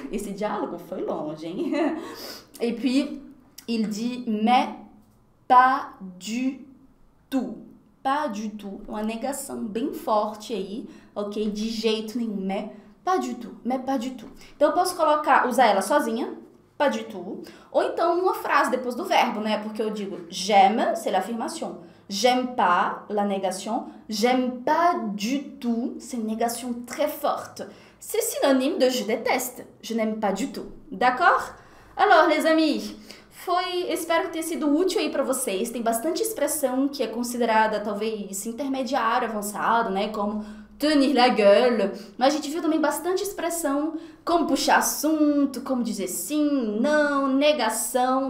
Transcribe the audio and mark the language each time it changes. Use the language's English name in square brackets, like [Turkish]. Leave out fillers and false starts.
[Portuguese] Esse diálogo foi longe, hein? [French] E puis, il dit, mais. Pas du tout. Pas du tout. [Portuguese] Uma negação bem forte aí, ok? De jeito nenhum. [French] Mais pas du tout. Mais pas du tout. [Portuguese] Então eu posso colocar, usar ela sozinha, [French] pas du tout. [Portuguese] Ou então uma frase depois do verbo, né? Porque eu digo [French] j'aime, c'est l'affirmation. J'aime pas, la négation. J'aime pas du tout, c'est une négation très forte. C'est synonyme de je déteste. Je n'aime pas du tout. D'accord? Alors, les amis. [Portuguese] Espero que tenha sido útil aí para vocês. Tem bastante expressão que é considerada talvez intermediária, avançado, né? Como tenir la gueule. Mas a gente viu também bastante expressão, como puxar assunto, como dizer sim, não, negação.